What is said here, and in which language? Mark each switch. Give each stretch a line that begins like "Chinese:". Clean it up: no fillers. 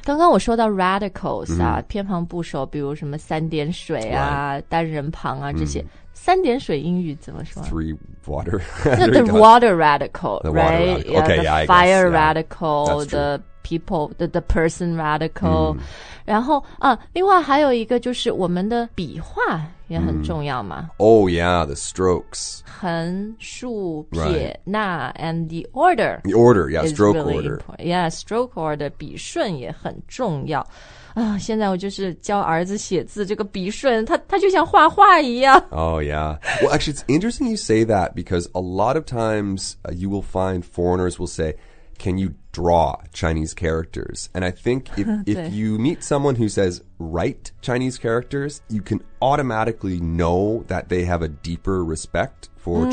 Chinese: 刚刚我说到 radicals,、mm. 啊、偏旁部首比如什么三点水啊、
English: right.
Chinese: 单人旁啊这些、mm. 三点水英语怎么说
English: Three water. The water radical, the water right? Radical. Yeah, okay, yeah, I guess. Fire radical, yeah, the people, the person radical.、Mm.
Chinese: 然后、啊、另外还有一个就是我们的笔画也很重要嘛。
English: Mm. Oh, yeah, the strokes.
Chinese: 横竖撇捺
English: and the order. The order, yeah, stroke、 really、 order. Yeah, stroke order,
Chinese: 笔顺也很重要。现在我就是教儿子写字这个笔顺 他就像画画一样。
English: Oh, yeah. Well, actually, it's interesting you say that because a lot of times、you will find foreigners will say, can you draw Chinese characters? And I think if you meet someone who says, write Chinese characters, you can automatically know that they have a deeper respect for、mm.